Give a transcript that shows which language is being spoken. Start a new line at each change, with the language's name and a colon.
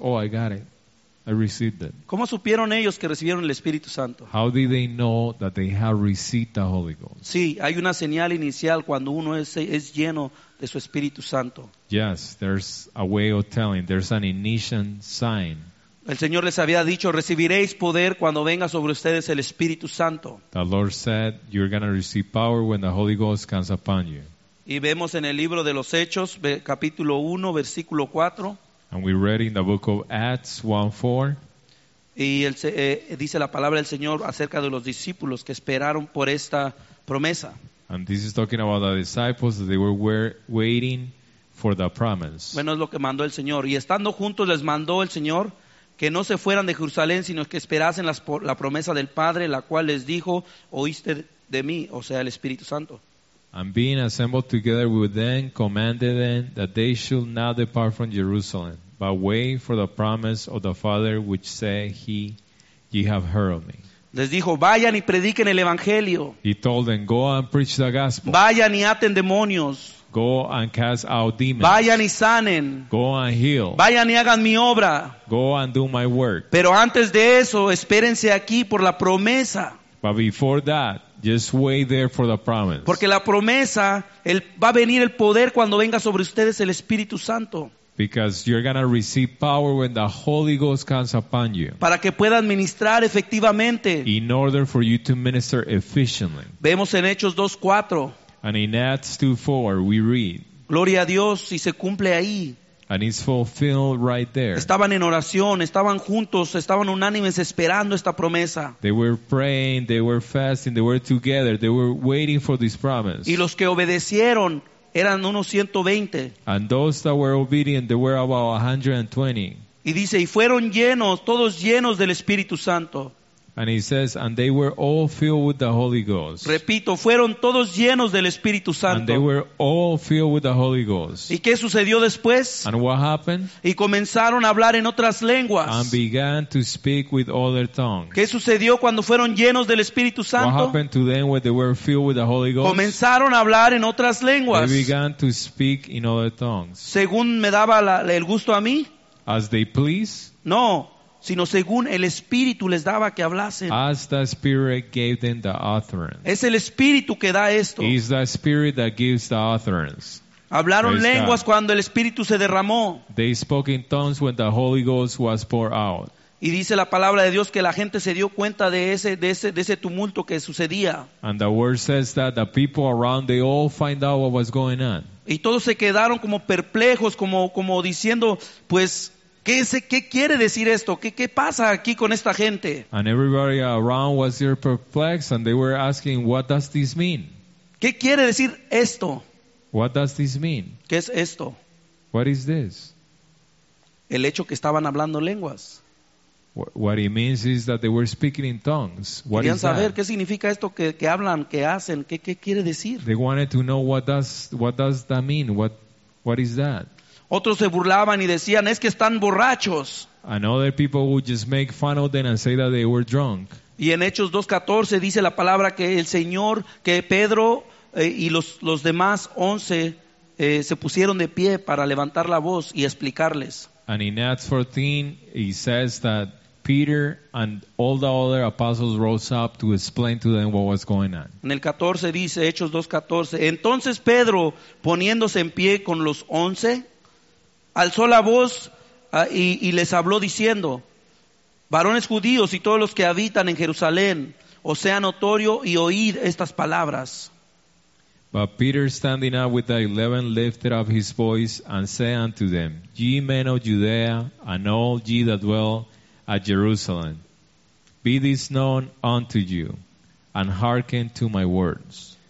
English: Oh, I got it. I received it.
Spanish: ¿Cómo supieron ellos que recibieron el Espíritu Santo?
English: How did they know that they have received the Holy Ghost?
Spanish: Sí, hay una señal inicial cuando uno es lleno de su Espíritu Santo.
English: Yes, there's a way of telling. There's an initial sign.
Spanish: El Señor les había dicho, recibiréis poder cuando venga sobre ustedes el Espíritu Santo.
English: The Lord said, you're going to receive power when the Holy Ghost comes upon you.
Spanish: Y vemos en el libro de los Hechos, capítulo 1, versículo 4.
English: And we read in the book of Acts 1:4.
Spanish: Y dice la palabra del Señor acerca de los discípulos que esperaron por esta promesa.
English: And this is talking about the disciples that they were waiting for the promise.
Spanish: Bueno, es lo que mandó el Señor. Y estando juntos les mandó el Señor que no se fueran de Jerusalén, sino que esperasen la promesa del Padre, la cual les dijo, oíste de mí, o sea, el Espíritu Santo.
English: And being assembled together with them, commanded them that they should not depart from Jerusalem, but wait for the promise of the Father, which said, ye have heard of me.
Spanish: Les dijo, vayan y prediquen el evangelio.
English: He told them, go and preach the gospel.
Spanish: Vayan y aten demonios.
English: Go and cast out demons.
Spanish: Vayan y sanen.
English: Go and heal.
Spanish: Vayan y hagan mi obra.
English: Go and do my work.
Spanish: Pero antes de eso, espérense aquí por la promesa.
English: But before that, just wait there for the promise.
Spanish: Porque la promesa, va a venir el poder cuando venga sobre ustedes el Espíritu Santo.
English: Because you're going to receive power when the Holy Ghost comes upon you.
Spanish: Para que puedan ministrar efectivamente.
English: In order for you to minister efficiently.
Spanish: Vemos en Hechos 2:4.
English: And in Acts 2:4 we read.
Spanish: Gloria a Dios y se cumple ahí.
English: And it's fulfilled right there.
Spanish: Estaban en oración, estaban juntos, estaban unánimes esperando esta promesa.
English: They were praying, they were fasting, they were together, they were waiting for this promise.
Spanish: Y los que obedecieron eran unos 120.
English: And those that were obedient, they were about 120.
Spanish: Y dice, y fueron llenos, todos llenos del Espíritu Santo.
English: And he says, and they were all filled with the Holy Ghost.
Spanish: Repito, fueron todos llenos del Espíritu Santo.
English: And they were all filled with the Holy Ghost.
Spanish: ¿Y qué sucedió después?
English: And what happened?
Spanish: Y comenzaron a hablar en otras lenguas.
English: And began to speak with other tongues.
Spanish: ¿Qué sucedió cuando fueron llenos del Espíritu Santo?
English: What happened to them when they were filled with the Holy Ghost?
Spanish: Comenzaron a hablar en otras lenguas.
English: They began to speak in other tongues.
Spanish: Según me daba el gusto a mí.
English: As they please.
Spanish: No. Sino según el Espíritu les daba que hablasen.
English: As the Spirit gave them the utterance.
Spanish: Es el Espíritu que da esto.
English: It's the Spirit that gives the utterance.
Spanish: Hablaron
English: Praise
Spanish: lenguas
English: God.
Spanish: Cuando el Espíritu se derramó.
English: They spoke in tongues when the Holy Ghost was poured out.
Spanish: Y dice la palabra de Dios que la gente se dio cuenta de ese tumulto que sucedía.
English: And the word says that the people around they all find out what was going on.
Spanish: Y todos se quedaron como perplejos, como diciendo, pues. ¿Qué quiere decir esto? ¿Qué pasa aquí con esta gente?
English: And everybody around was here perplexed and they were asking, what does this mean?
Spanish: ¿Qué quiere decir esto?
English: What does this mean?
Spanish: ¿Qué es esto?
English: What is this?
Spanish: El hecho que estaban hablando lenguas.
English: What it means is that they were speaking in tongues. What
Spanish: Querían
English: is
Spanish: saber
English: that?
Spanish: ¿Qué significa esto que hablan, que hacen? ¿Qué quiere decir?
English: They wanted to know what does that mean? What is that?
Spanish: Otros se burlaban y decían, es que están borrachos.
English: And other people would just make fun of them and say that they were drunk.
Spanish: Y en Hechos 2:14 dice la palabra que el Señor, que Pedro y los demás 11 se pusieron de pie para levantar la voz y explicarles.
English: And in Acts 14, he says that Peter and all the other apostles rose up to explain to them what was going on.
Spanish: En el 14 dice, Hechos 2:14, entonces Pedro poniéndose en pie con los 11, alzó la voz y les habló diciendo, Varones judíos y todos los que habitan en Jerusalén, os sea notorio y oíd estas palabras.
English: But Peter, standing up with the 11, lifted up his voice and said unto them, Ye men of Judea, and all ye that dwell at Jerusalem, be this known unto you, and hearken to my words.